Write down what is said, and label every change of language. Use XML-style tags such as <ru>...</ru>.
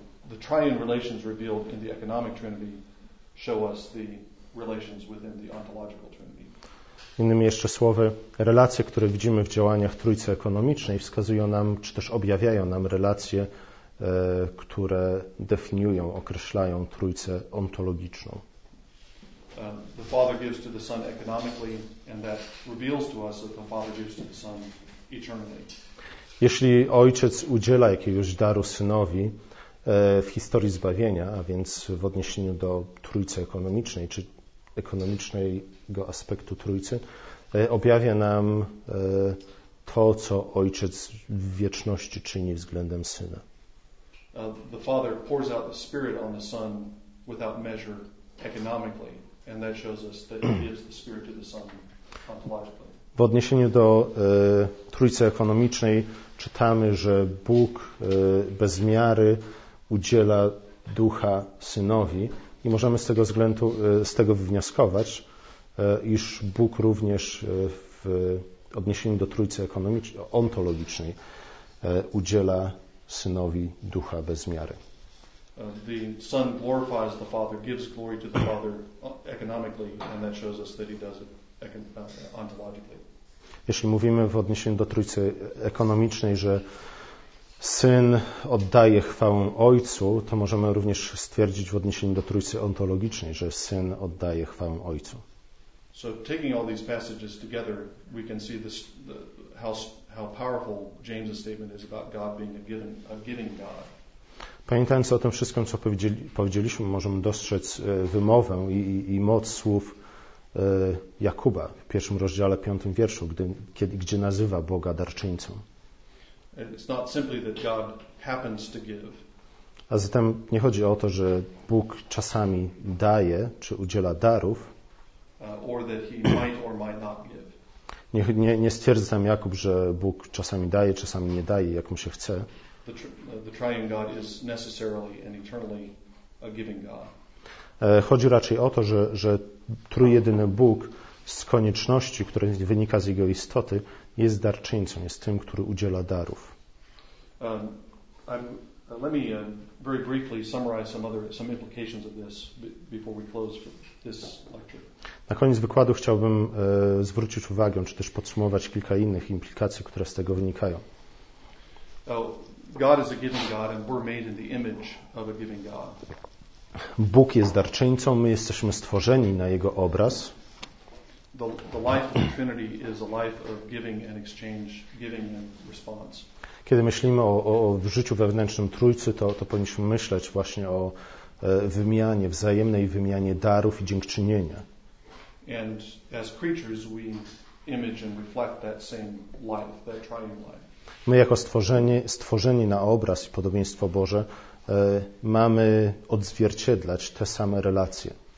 <en>The triune relations revealed in the economic trinity show us the relations within the ontological trinity.</en> <pl>Innymi jeszcze słowy, relacje, które widzimy w działaniach Trójcy ekonomicznej, wskazują nam, czy też objawiają nam relacje, które definiują, określają Trójcę ontologiczną.</pl> <en>The Father gives to the Son economically, and that reveals to us that the Father gives to the Son eternally.</en> <pl>Jeśli Ojciec udziela jakiegoś daru Synowi w historii zbawienia, a więc w odniesieniu do Trójcy ekonomicznej czy ekonomicznego aspektu Trójcy, objawia nam to, co Ojciec w wieczności czyni względem Syna.</pl> <en>The Father pours out the Spirit on the Son without measure economically, and that shows us that he gives the Spirit to the Son ontologically.</en> <pl>W odniesieniu do Trójcy ekonomicznej czytamy, że Bóg bez miary udziela Ducha Synowi i możemy z tego względu, z tego wywnioskować, iż Bóg również w odniesieniu do Trójcy ontologicznej udziela Synowi Ducha bez miary.</pl> <en>The Son glorifies the Father, gives glory to the Father economically, and that shows us that he does it ontologically.</en> <pl>Jeśli mówimy w odniesieniu do Trójcy ekonomicznej, że Syn oddaje chwałę Ojcu, to możemy również stwierdzić w odniesieniu do Trójcy ontologicznej, że Syn oddaje chwałę Ojcu.</pl> <en>So taking all these passages together, we can see this, how powerful James' statement is about God being a giving God.</en> <pl>Pamiętając o tym wszystkim, co powiedzieliśmy, możemy dostrzec wymowę i moc słów Jakuba w pierwszym rozdziale, piątym wierszu, gdzie nazywa Boga darczyńcą.</pl> <en>It's not simply that God happens to give.</en> <pl>A zatem nie chodzi o to, że Bóg czasami daje czy udziela darów.</pl> <en>Or that he might or might not give.</en> <pl>Nie stwierdza tam Jakub, że Bóg czasami daje, czasami nie daje, jak mu się chce.</pl> <en>The triune God is necessarily and eternally a giving God.</en> <pl>Chodzi raczej o to, że trójjedyny Bóg z konieczności, który wynika z jego istoty, jest darczyńcą, jest tym, który udziela darów.</pl> <en>I'm, Let me very briefly summarize some implications of this before we close this lecture.</en> <pl>Na koniec wykładu chciałbym zwrócić uwagę, czy też podsumować kilka innych implikacji, które z tego wynikają.</pl> <en>God is a giving God, and we're made in the image of a giving God.</en> <pl>Bóg jest darczyńcą, my jesteśmy stworzeni na Jego obraz.</pl> <en>The life of the Trinity is a life of giving and exchange, giving and response.</en> <pl>Kiedy myślimy o życiu wewnętrznym Trójcy, to powinniśmy myśleć właśnie o wymianie, wzajemnej wymianie darów i dziękczynienia.</pl> <en>And as creatures we image and reflect that same life, that triune life.</en> <pl>My jako stworzeni na obraz i podobieństwo Boże mamy odzwierciedlać te same relacje.</pl>